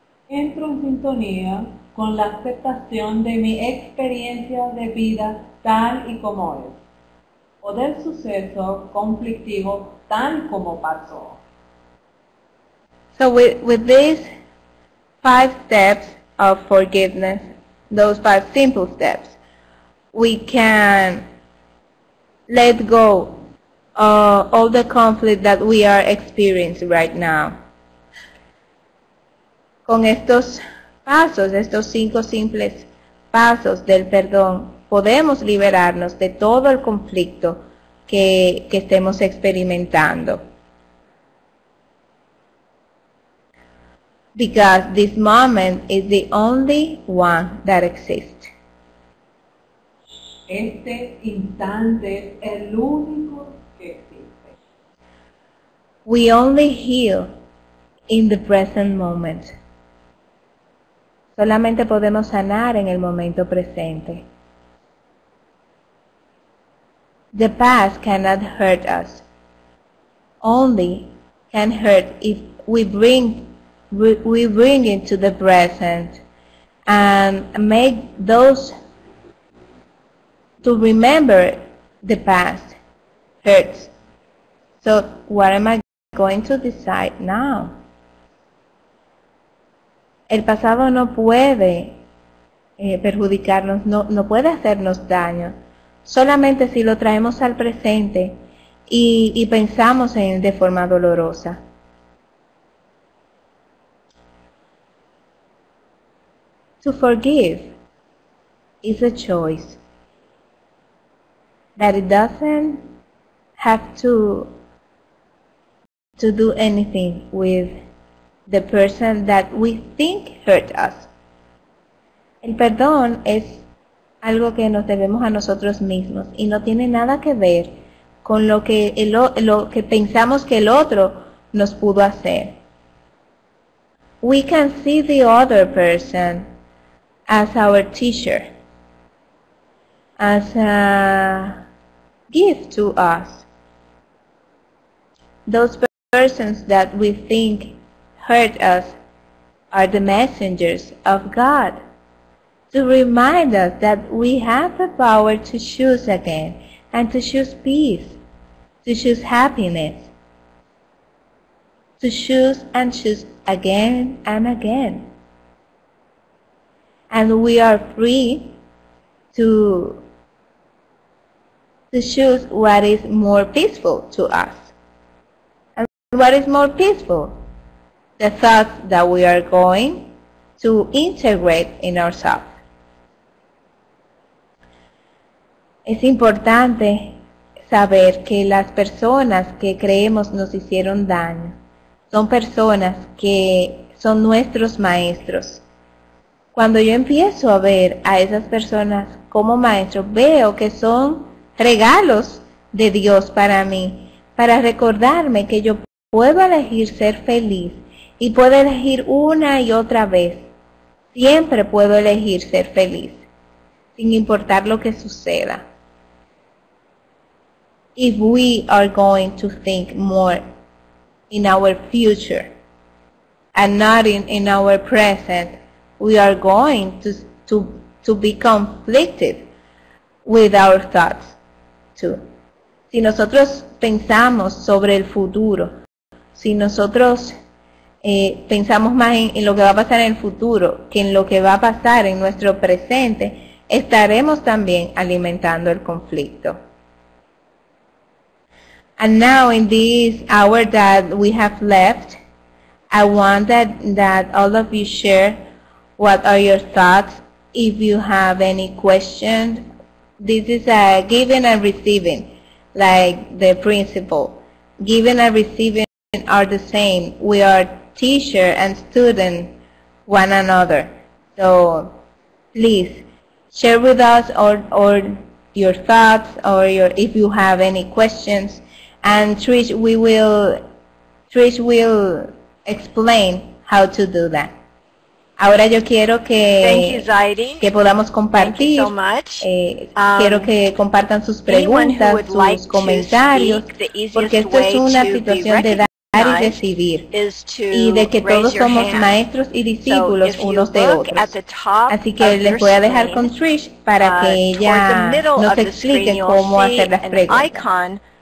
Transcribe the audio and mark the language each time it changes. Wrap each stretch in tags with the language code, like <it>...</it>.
<es>Entro en sintonía con la aceptación de mi experiencia de vida tal y como es, o del suceso conflictivo tal como pasó.</es> <en>So with these 5 steps of forgiveness, those 5 simple steps, we can let go all the conflict that we are experiencing right now.</en> <es>Con estos pasos, estos 5 simples pasos del perdón, podemos liberarnos de todo el conflicto que estemos experimentando.</es> <en>Because this moment is the only one that exists.</en> <es>Este instante es el único que existe.</es> <en>We only heal in the present moment.</en> <es>Solamente podemos sanar en el momento presente.</es> <en>The past cannot hurt us. Only can hurt if we bring it to the present and make those to remember the past hurts. So what am I going to decide now?</en> <es>El pasado no puede perjudicarnos, no puede hacernos daño. Solamente si lo traemos al presente y pensamos en él de forma dolorosa.</es> <en>To forgive is a choice that it doesn't have to do anything with the person that we think hurt us.</en> <es>El perdón es algo que nos debemos a nosotros mismos y no tiene nada que ver con lo que pensamos que el otro nos pudo hacer.</es> <en>We can see the other person as our teacher, as a gift to us. Those persons that we think hurt us are the messengers of God to remind us that we have the power to choose again and to choose peace, to choose happiness, to choose and choose again and again. And we are free to choose what is more peaceful to us. And what is more peaceful? The thoughts that we are going to integrate in ourselves.</en> <es>Es importante saber que las personas que creemos nos hicieron daño son personas que son nuestros maestros. Cuando yo empiezo a ver a esas personas como maestros, veo que son regalos de Dios para mí, para recordarme que yo puedo elegir ser feliz. Y puedo elegir una y otra vez. Siempre puedo elegir ser feliz, sin importar lo que suceda.</es> <en>If we are going to think more in our future and not in our present, we are going to be conflicted with our thoughts too.</en> <es>Si nosotros pensamos sobre el futuro, si nosotros pensamos más en lo que va a pasar en el futuro que en lo que va a pasar en nuestro presente, estaremos también alimentando el conflicto.</es> <en>And now in this hour that we have left, I want that all of you share what are your thoughts. If you have any questions, this is a giving and receiving, like the principle. Giving and receiving are the same. We are teacher and student one another. So please share with us or your thoughts or your if you have any questions, and Trish will explain how to do that.</en> <es>Ahora yo quiero que podamos compartir.</es> <en>Thank you so much.</en> <es>Quiero que compartan sus preguntas, sus comentarios, porque esto es una situación de dar y recibir, y de que todos somos maestros y discípulos unos de otros. Así que les voy a dejar con Trish para que ella nos explique cómo hacer las preguntas.</es>